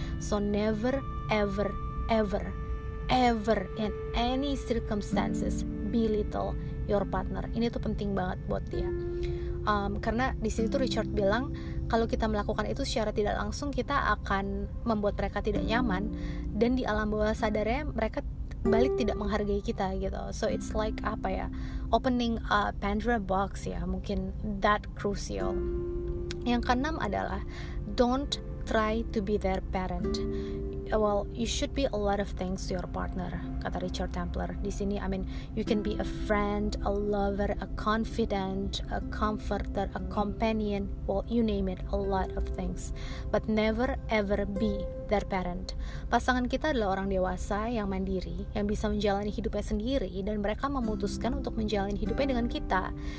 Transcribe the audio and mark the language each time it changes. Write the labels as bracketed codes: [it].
[en] So never, ever, ever, ever in any circumstances belittle your partner. [id] Ini tuh penting banget buat dia. Karena di sini tuh Richard bilang kalau kita melakukan itu secara tidak langsung kita akan membuat mereka tidak nyaman, dan di alam bawah sadarnya mereka balik tidak menghargai kita gitu. [en] So it's like opening a Pandora box ya, mungkin that crucial. [id] Yang keenam adalah [en] don't try to be their parent. Well, you should be a lot of things to your partner, [id] kata Richard Templer. Di sini, [en] I mean, you can be a friend, a lover, a confidant, a comforter, a companion, well, you name it, a lot of things. But never ever be their parent. [id] Pasangan kita adalah orang dewasa yang mandiri, yang bisa menjalani hidupnya sendiri, dan mereka memutuskan untuk menjalani hidupnya dengan kita.